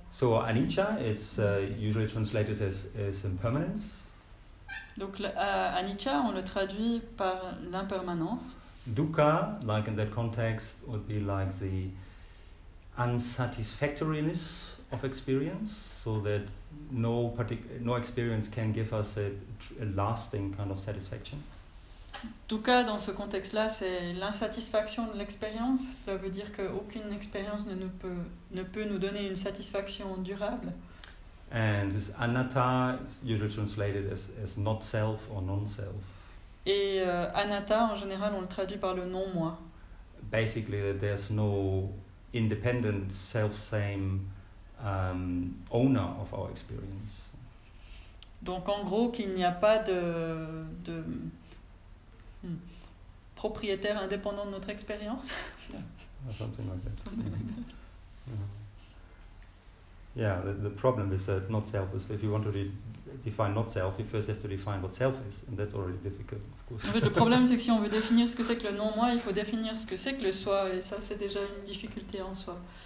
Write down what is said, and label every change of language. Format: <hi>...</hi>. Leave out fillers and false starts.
<en>So anicca, it's usually translated as impermanence.</en> <fr>Donc anicca, on le traduit par l'impermanence.</fr> <en>Dukkha, like in that context, would be like the unsatisfactoriness of experience, so that no experience can give us a lasting kind of satisfaction.</en> <fr>Dukkha, dans ce contexte-là, c'est l'insatisfaction de l'expérience. Ça veut dire qu'aucune expérience ne peut nous donner une satisfaction durable.</fr> <en>And this anatta is usually translated as not self or non self.</en> <fr>Et anatta, en général, on le traduit par le non moi.</fr> <en>Basically, there's no independent self-same owner of our experience.</en> <fr>Donc, en gros, qu'il n'y a pas de propriétaire indépendant de notre expérience.</fr> <en>Something like that. Yeah, the problem is that not self is, if you want to define not self, you first have to define what self is, and that's already difficult, of course.</en> <fr>En fait, le problème, c'est que si on veut définir ce que c'est que le non-moi, il faut définir ce que c'est que le soi, et ça, c'est déjà une difficulté en soi.</fr>